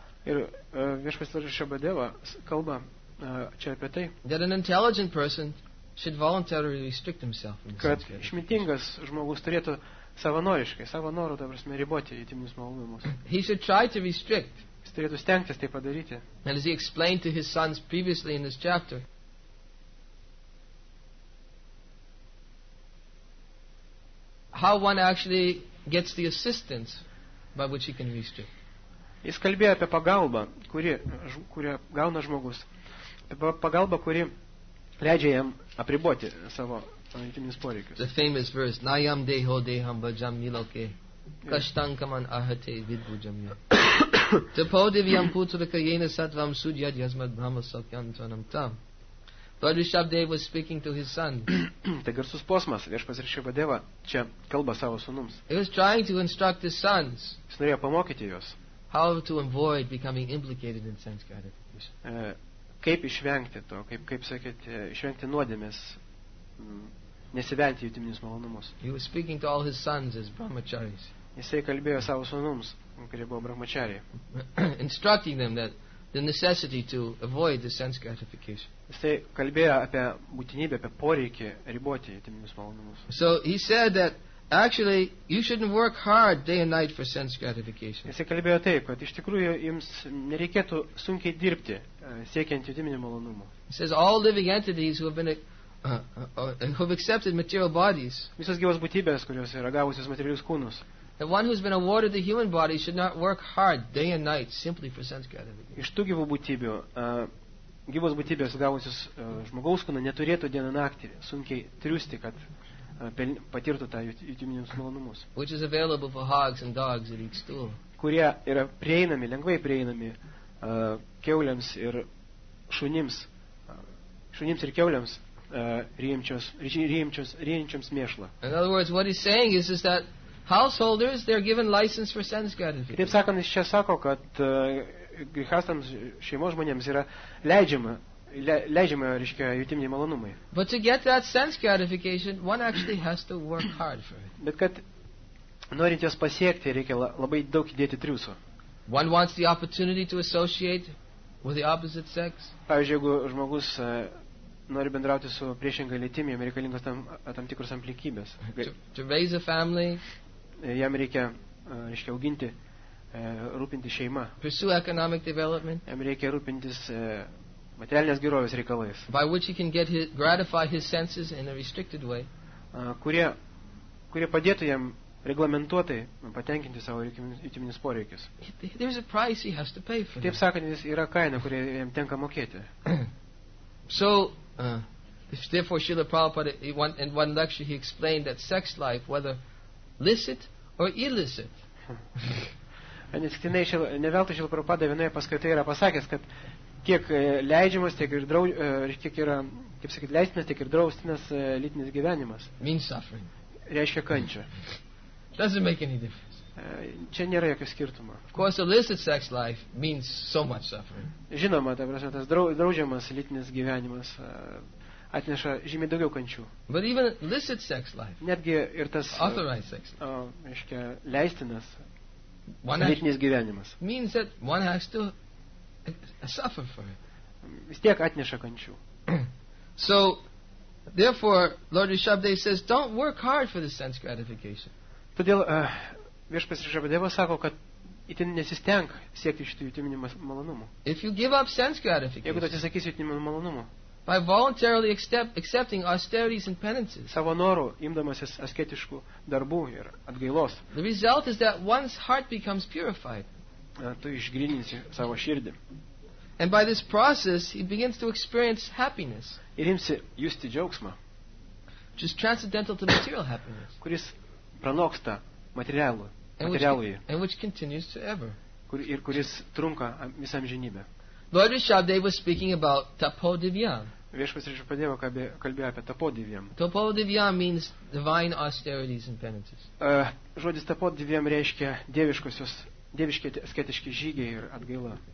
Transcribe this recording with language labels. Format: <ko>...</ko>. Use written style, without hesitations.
<lt>Ir Viešpats Rishabhdeva kalba čia apie tai.</lt> <en>That an intelligent person should voluntarily restrict himself.</en> <lt>Kad išmintingas žmogus turėtų savanoriškai, savo noru, ta prasme, riboti jutiminius malonumus.</lt> <en>He should try to restrict.</en> <lt>Jis turėtų stengtis tai padaryti.</lt> <en>And as he explained to his sons previously in this chapter. How one actually gets the assistance by which he can restrict.</en> <lt>Jis kalbėjo apie pagalbą, kurią gauna žmogus. Pagalbą, kuri leidžia jam apriboti savo jutiminius poreikius.</lt> <en>The famous verse,</en> <sa>Nayam deho deham bhajam niloke kashtankaman ahate vidbhujam yam. Tapo divyam putra kayena sattvam sudyad yasmad brahma sakyantanam tam.</sa> <en>Lord Rishabhdev was speaking to his son.</en> <lt>Tai garsus posmas, viešpats Rishabhadeva čia kalba savo sūnums.</lt> <en>He was trying to instruct his sons.</en> <lt>Jis norėjo pamokyti juos.</lt> <en>How to avoid becoming implicated in sense gratification.</en> <lt>Kaip išvengti to, kaip sakyti, išvengti nuodėmės, nesivelti į jutiminius malonumus.</lt> <en>He was speaking to all his sons as brahmacharis.</en> <lt>Jisai kalbėjo savo sūnums, kurie buvo brahmacharyje.</lt> <en>Instructing them that the necessity to avoid the sense gratification.</en> <lt>Jisai kalbėjo apie būtinybę, apie poreikį riboti jutiminius malonumus.</lt> <en>So he said that actually you shouldn't work hard day and night for sense gratification.</en> <lt>Jisai kalbėjo taip, kad iš tikrųjų jums nereikėtų sunkiai dirbti siekiant jutiminių malonumų.</lt> <en>He says all living entities who have been who have accepted material bodies.</en> <lt>Visos gyvos būtybės, kurios yra gavusios materialius kūnus.</lt> <en>The one who's been awarded the human body should not work hard day and night simply for sense gratification.</en> <lt>Iš tų gyvų būtybių, gyvos būtybės gavusios žmogaus kūną neturėtų dieną naktį sunkiai triūsti, kad patirtų tą jutiminius malonumus.</lt> <en>Which is available for hogs and dogs that eat stool.</en> <lt>Kurie yra prieinami, lengvai prieinami kiauliams ir šunims. Šunims ir kiauliams ryjančios mėšlą.</lt> <en>In other words, what he's saying is that householders, they're given license for sense gratification.</en> <lt>Taip sakant, jis čia sako, kad grihastams, šeimos žmonėms yra leidžiama, reiškia, jutiminiai malonumai.</lt> <en>But to get that sense gratification, one actually has to work hard for it.</en> <lt>Bet kad norint jos pasiekti, reikia labai daug įdėti triūsų.</lt> <en>One wants the opportunity to associate with the opposite sex.</en> <lt>Pavyzdžiui, jeigu žmogus nori bendrauti su priešinga lytimi, jam reikalingos tam tikros aplinkybės.</lt> <en>To raise a family.</en> <lt>Jam reikia, reiškia, auginti, rūpinti šeimą.</lt> <en>Pursue economic development.</en> <lt>Jam reikia rūpintis materialinės gerovės reikalais.</lt> <en>By which he can get his, gratify his senses in a restricted way.</en> <lt>Kurie padėtų jam reglamentuotai patenkinti savo jutiminius poreikius.</lt> <en>There's a price he has to pay for.</en> <lt>Taip sakant, yra kaina, kurią jam tenka mokėti.</lt> <en>So, therefore, Srila Prabhupada, in one lecture, he explained that sex life, whether licit or illicit.</en> <lt>Neskinai, neveltai Srila Prabhupada vienoje paskaitoje yra pasakęs, kad kiek leidžiamas, tiek ir kiek yra, kaip sakyt, leistinas, tiek ir draustinas lytinis gyvenimas.</lt> <en>Means suffering.</en> <lt>Reiškia kančia.</lt> <en>Doesn't make any difference.</en> <lt>Čia nėra jokio skirtumo.</lt> <en>Of course, illicit sex life means so much suffering.</en> <lt>Žinoma, ta prasme, tas draudžiamas lytinis gyvenimas atneša žymiai daugiau kančių.</lt> <en>But even illicit sex life,</en> <lt>netgi ir tas</lt> <en>authorized sex life,</en> <lt>reiškia, leistinas lytinis gyvenimas,</lt> <en>means that one has to suffer for it.</en> <lt>Vis tiek atneša kančių.</lt> <en>So, therefore, Lord Rishabhdev says, don't work hard for the sense gratification.</en> <lt>Todėl viešpats Rishabhadeva sako, kad itin nesistenk siekti šitų jutiminių malonumų.</lt> <en>If you give up sense gratification,</en> <lt>jeigu tu atsisakysi jutiminių malonumų,</lt> <en>by voluntarily accepting austerities and penances,</en> <lt>savo noru imdamasis asketiškų darbų ir atgailos,</lt> <en>the result is that one's heart becomes purified.</en> <lt>Tu išgrininsi savo širdį.</lt> <en>And by this process, he begins to experience happiness.</en> <lt>Ir imsi justi džiaugsmą.</lt> <en>Which is transcendental to material happiness.</en> <lt>Kuris pranoksta materialui,</lt> <en>and which continues to ever.</en> <lt>Ir kuris trunka visą amžinybę.</lt> <en>Lord Rishabhdev was speaking about tapo divyam.</en> <lt>Viešpats Rishabhadeva kalbėjo apie tapo divyam.</lt> <en>Tapo divyam means divine austerities and penances.</en> <lt>Žodis tapo divyam reiškia dieviški asketiški žygiai ir atgaila.</lt>